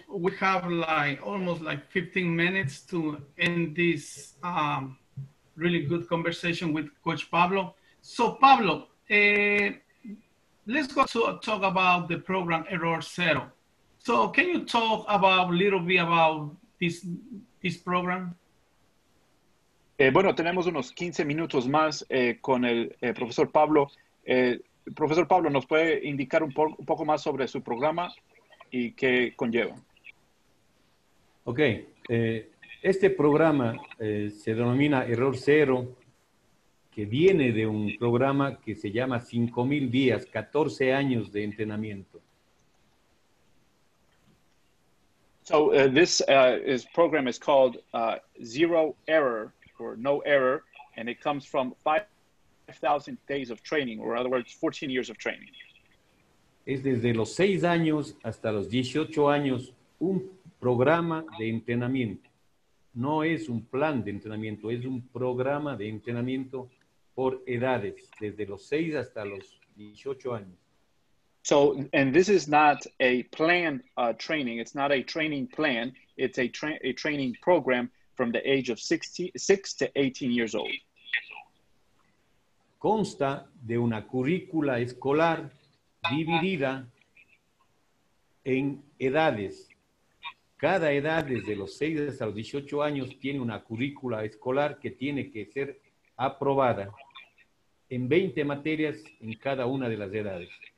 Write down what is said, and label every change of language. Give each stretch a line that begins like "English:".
English: We have like almost like 15 minutes to end this really good conversation with Coach Pablo. So, Pablo, let's go to talk about the program Error Zero. So, can you talk about a little bit about this program?
Spanish: Bueno, tenemos unos 15 minutos más con el profesor Pablo. Profesor Pablo, ¿nos puede indicar un poco más sobre su programa y qué conlleva?
English: Okay.
Spanish: Este programa se denomina Error Cero, que viene de un programa que se llama 5.000 días, 14 años de entrenamiento.
English: So this program is called Zero Error, or No Error, and it comes from 5,000 days of training, or in other words, 14 years of training.
Spanish: Es desde los 6 años hasta los 18 años un programa de entrenamiento. No es un plan de entrenamiento, es un programa de entrenamiento por edades, desde los 6 hasta los 18 años.
English: So, and this is not a plan training, it's not a training plan, it's a training program from the age of 6 to 18 years old.
Spanish: Consta de una currícula escolar dividida en edades. Cada edad, desde los 6 hasta los 18 años, tiene una currícula escolar que tiene que ser aprobada en 20 materias en cada una de las edades.